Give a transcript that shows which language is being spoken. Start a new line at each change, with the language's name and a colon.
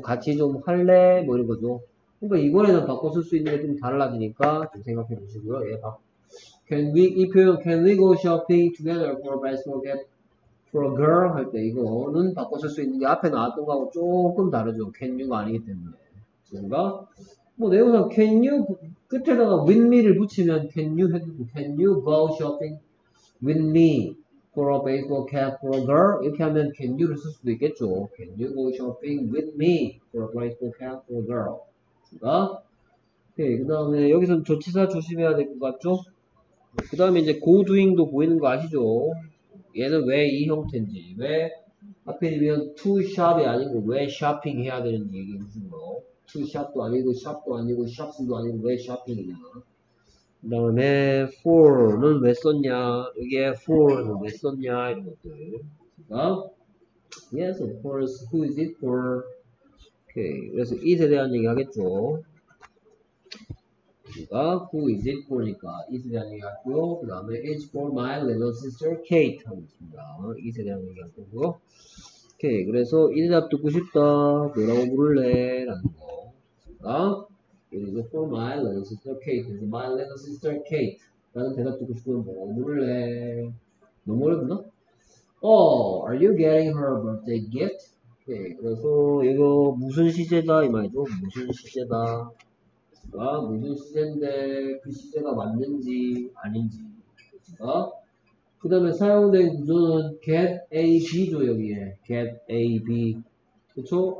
Korean: 같이 좀 할래? 뭐 이런 거죠. 그러니까 이번에는 바꿔 쓸 수 있는 게 좀 달라지니까 좀 생각해 보시고요. 예, 바.
English: Can we,
Korean: 이 표현,
English: can we go shopping together for a baseball cap for a girl?
Korean: 할 때, 이거는 바꿔쓸 수 있는 게 앞에 나왔던 거하고 조금 다르죠. Can you가 아니기 때문에. 그런가? 뭐, 내용상
English: can you,
Korean: 끝에다가
English: with me
Korean: 를 붙이면
English: can you
Korean: 해도,
English: can you go shopping with me for a baseball cap for a girl?
Korean: 이렇게 하면 can you를 쓸 수도 있겠죠.
English: Can you go shopping with me for a baseball cap for a girl?
Korean: 그런가? 오케이. 그 다음에 여기서는 조치사 조심해야 될 것 같죠? 그 다음에 이제 go doing도 보이는 거 아시죠? 얘는 왜 이 형태인지 왜 하필이면 to shop이 아니고 왜 shopping 해야 되는지 얘기해 주신 거 to shop도 아니고 shop도 아니고 shops도 아니고 왜 shopping이냐 그 다음에 for는 왜 썼냐 이게 for는 왜 썼냐 이런 것들 그러니까?
English: yes of course who is it for okay.
Korean: 그래서 it에 대한 얘기 하겠죠
English: Who is it for
Korean: 니까 it에 대한 얘기 하고요 그 다음에
English: it's for my little sister Kate
Korean: 하고 있습니다 it에 대한 얘기 하고요 오케이 그래서 인답 듣고 싶다 뭐라고 부를래 라는 거
English: it is for my little sister Kate it's my little sister Kate
Korean: 라는 대답 듣고 싶으면 뭐라고 부를래 너무 어렵나?
English: oh are you getting her a birthday gift?
Korean: 오케이 그래서 이거 무슨 시제다 이 말이죠 무슨 시제다 아, 무슨 시제인데 그 시제가 맞는지 아닌지 아? 그 다음에 사용된 구조는 get A, B죠 여기에 get A, B 그쵸?